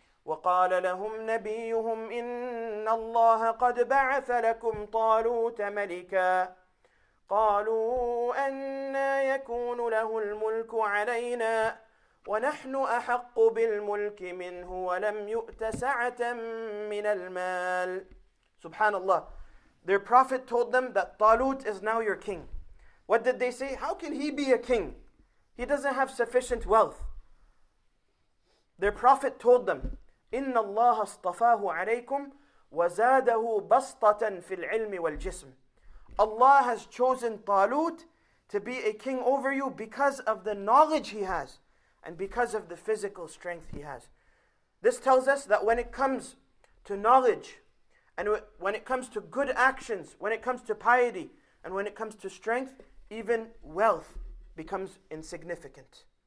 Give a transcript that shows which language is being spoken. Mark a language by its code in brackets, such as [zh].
[ar] وَقَالَ لَهُمْ نَبِيُّهُمْ إِنَّ اللَّهَ قَدْ بَعَثَ لَكُمْ طَالُوتَ مَلِكًا قَالُوا أَنَّا يَكُونُ لَهُ الْمُلْكُ عَلَيْنَا وَنَحْنُ أَحَقُّ بِالْمُلْكِ مِنْهُ وَلَمْ يُؤْتَ سَعَةً مِنَ الْمَالِ. Subhanallah. [en] Their prophet told them that Talut is now your king. What did they say? How can he be a king? He doesn't have sufficient wealth. Their prophet told them, [ar] إِنَّ اللَّهَ اصْطَفَاهُ عَلَيْكُمْ وَزَادَهُ بَسْطَةً فِي الْعِلْمِ وَالْجِسْمِ. [en] Allah has chosen Talut to be a king over you because of the knowledge he has and because of the physical strength he has. This tells us that when it comes to knowledge and when it comes to good actions, when it comes to piety and when it comes to strength, even wealth becomes insignificant.